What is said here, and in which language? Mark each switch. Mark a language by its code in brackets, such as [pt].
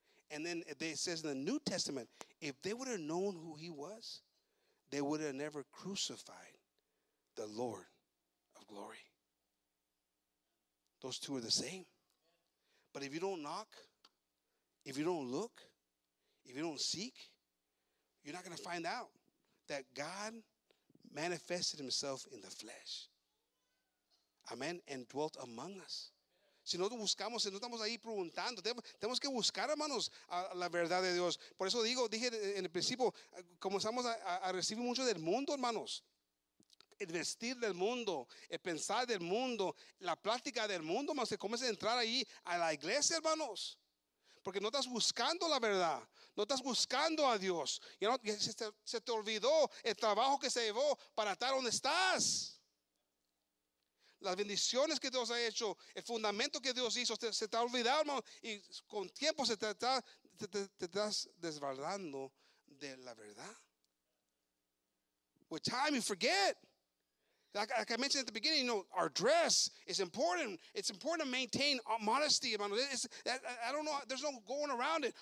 [en] And then it says in the New Testament, if they would have known who he was, they would have never crucified the Lord of glory. Those two are the same. But if you don't knock, if you don't look, if you don't seek, you're not going to find out that God manifested himself in the flesh. Amen. And dwelt among us. [es] Si nosotros buscamos, si no estamos ahí preguntando, tenemos que buscar, hermanos, la verdad de Dios. Por eso digo, dije en el principio, comenzamos a recibir mucho del mundo, hermanos. El vestir del mundo, el pensar del mundo, la plática del mundo, hermanos, se comienza a entrar ahí a la iglesia, hermanos. Porque no estás buscando la verdad, no estás buscando a Dios. Y no, se te olvidó el trabajo que se llevó para estar donde estás. Las bendiciones que Dios ha hecho, el fundamento que Dios hizo, se te ha olvidado, hermano. Y con tiempo te estás desbordando de la verdad. [en] With time you forget. Like I mentioned at the beginning, you know, our dress is important. It's important to maintain modesty, hermano. I don't know, there's no going around it.